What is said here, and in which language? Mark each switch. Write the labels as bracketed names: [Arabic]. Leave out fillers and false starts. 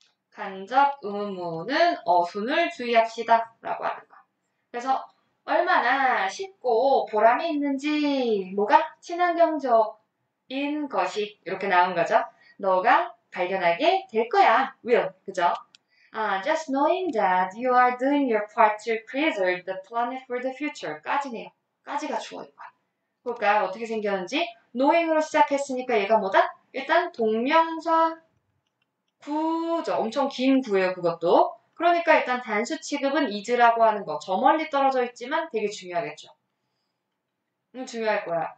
[Korean] 간접 의문문은 어순을 주의합시다 라고 하는 거. 그래서 얼마나 쉽고 보람이 있는지 뭐가 친환경적 인 것이 이렇게 나온 거죠. 너가 발견하게 될 거야. Will, 그죠? [English] Just knowing that you are doing your part to preserve the planet for the future. [Korean] 까지네요. 까지가 주어인 거야. 그러니까 어떻게 생겼는지 knowing으로 시작했으니까 얘가 뭐다? 일단 동명사 구죠. 엄청 긴 구예요, 그것도. 그러니까 일단 단수 취급은 is라고 하는 거. 저 멀리 떨어져 있지만 되게 중요하겠죠. 중요할 거야.